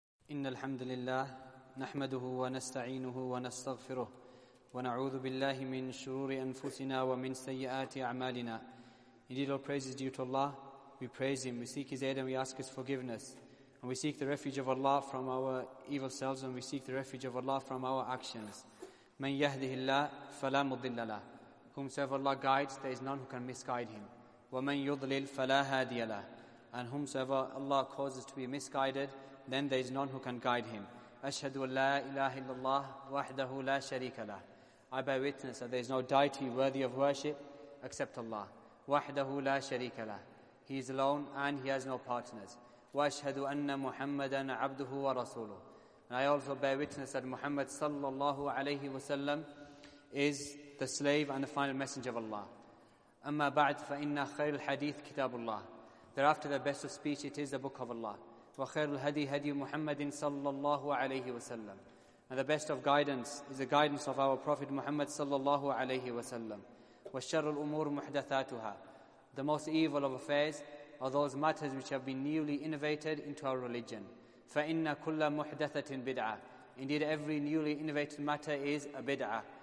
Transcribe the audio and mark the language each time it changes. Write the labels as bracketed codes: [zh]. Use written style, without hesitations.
[ar] إن الحمد لله نحمده ونستعينه ونستغفره ونعوذ بالله من شرور أنفسنا ومن سيئات أعمالنا. [en] Indeed all praise is due to Allah. We praise Him, we seek His aid and we ask His forgiveness. And we seek the refuge of Allah from our evil selves and we seek the refuge of Allah from our actions. [ar] من يهده الله فلا مضل له. [en] Whomsoever Allah guides, there is none who can misguide him. [ar] ومن يضلل فلا هادي له. [en] And whomsoever Allah causes to be misguided, then there is none who can guide him. [ar] أشهد أن لا إله إلا الله وحده لا شريك له. [en] I bear witness that there is no deity worthy of worship except Allah. [ar] وحده لا شريك له. [en] He is alone and he has no partners. [ar] وأشهد أن محمدا عبده ورسوله. [en] And I also bear witness that Muhammad صلى الله عليه وسلم is the slave and the final messenger of Allah. [ar] أما بعد فإن خير الحديث كتاب الله. [en] Thereafter the best of speech it is the book of Allah. [ar] وخير الهدي هدي محمد صلى الله عليه وسلم. [en] And the best of guidance is the guidance of our Prophet Muhammad صلى الله عليه وسلم. [ar] والشر الأمور محدثاتها. [en] The most evil of affairs are those matters which have been newly innovated into our religion. [ar] فَإِنَّ كُلَّ مُحْدَثَةٍ بِدْعَةٍ. [en] Indeed every newly innovated matter is a bid'ah.